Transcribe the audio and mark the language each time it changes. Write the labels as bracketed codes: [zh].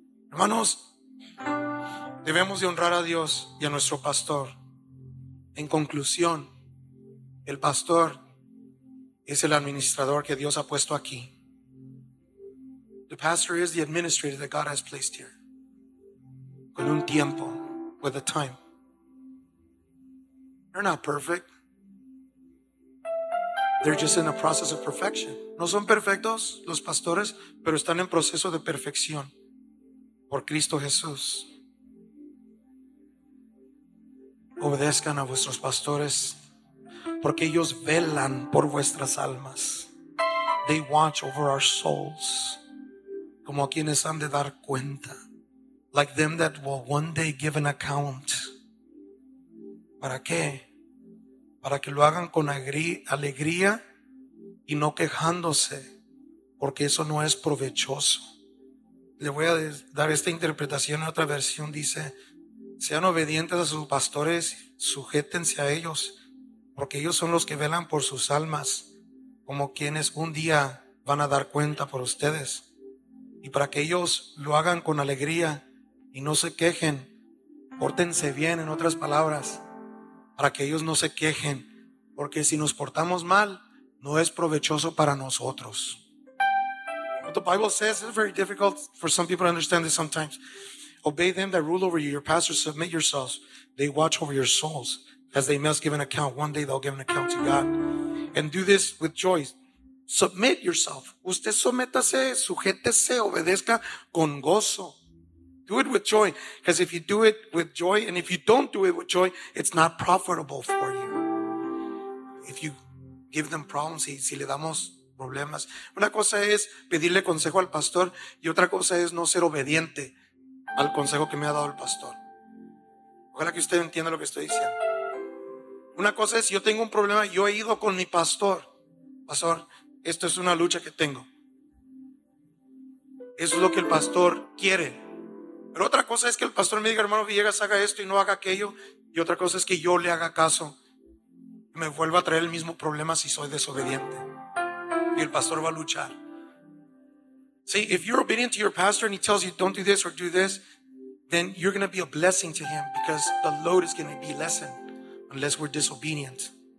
[es] Hermanos, debemos de honrar a Dios y a nuestro pastor. En conclusión, el pastor es el administrador que Dios ha puesto aquí. [en] The pastor is the administrator that God has placed here. [es] Con un tiempo, [en] with a time. They're not perfect. They're just in a process of perfection. [es] No son perfectos los pastores, pero están en proceso de perfección por Cristo Jesús. Obedezcan a vuestros pastores porque ellos velan por vuestras almas. [en] They watch over our souls [es] como a quienes han de dar cuenta. [en] Like them that will one day give an account. [es] ¿Para qué? Para que lo hagan con alegría y no quejándose, porque eso no es provechoso. Le voy a dar esta interpretación en otra versión. Dice, sean obedientes a sus pastores, sujétense a ellos, porque ellos son los que velan por sus almas, como quienes un día van a dar cuenta por ustedes. Y para que ellos lo hagan con alegría y no se quejen, pórtense bien, en otras palabras, para que ellos no se quejen, porque si nos portamos mal, no es provechoso para nosotros. [en] What the Bible says is very difficult for some people to understand this sometimes. Obey them that rule over you, your pastors, submit yourselves. They watch over your souls, as they must give an account. One day they'll give an account to God. And do this with joy. Submit yourself. [es] Usted sométase, sujétese, obedezca con gozo. [en] Do it with joy, because if you do it with joy, and if you don't do it with joy, it's not profitable for you. If you give them problems, [es] si le damos problemas. Una cosa es pedirle consejo al pastor, y otra cosa es no ser obediente al consejo que me ha dado el pastor. Ojalá que usted entienda lo que estoy diciendo. Una cosa es, yo tengo un problema, yo he ido con mi pastor. Pastor, esto es una lucha que tengo. Eso es lo que el pastor quiere. Pero otra cosa es que el pastor me diga, hermano Villegas, haga esto y no haga aquello. Y otra cosa es que yo le haga caso. Me vuelva a traer el mismo problema si soy desobediente. Y el pastor va a luchar. [en] See, if you're obedient to your pastor and he tells you don't do this or do this, then you're going to be a blessing to him because the load is going to be lessened unless we're disobedient.